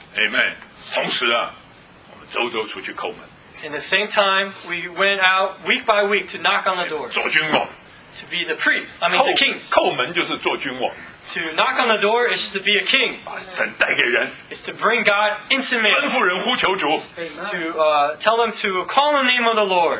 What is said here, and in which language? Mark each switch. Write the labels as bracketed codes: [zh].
[en] Amen. [zh] 同时啊，我们周周出去叩门。 [en] In the same time, we went out week by week to knock on the doors. [zh] 做君王。 [en] To be the priests, I mean the kings. [zh] 叩门就是做君王。 [en] To knock on the door is to be a king. [zh] 把神带给人。 [en] It's to bring God into man. [zh] 吩咐人呼求主。 [en] To tell them to call the name of the Lord.